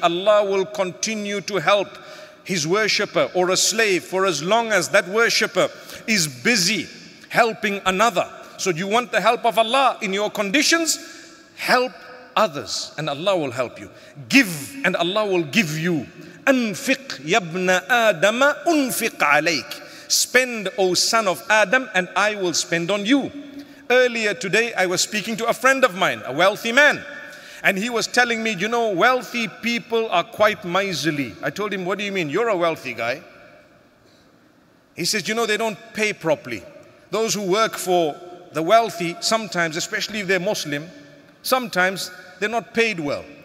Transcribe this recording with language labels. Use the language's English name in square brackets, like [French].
[English] Allah will continue to help His worshipper or a slave for as long as that worshipper is busy helping another. So do you want the help of Allah in your conditions? Help others and Allah will help you. Give and Allah will give you. [Arabic] أنفق يا ابن آدم أنفق عليك. [English] Spend, O son of Adam, and I will spend on you. Earlier today, I was speaking to a friend of mine, a wealthy man. And he was telling me, you know, wealthy people are quite miserly. I told him, what do you mean? You're a wealthy guy. He says, you know, they don't pay properly. Those who work for the wealthy, sometimes, especially if they're Muslim, sometimes they're not paid well.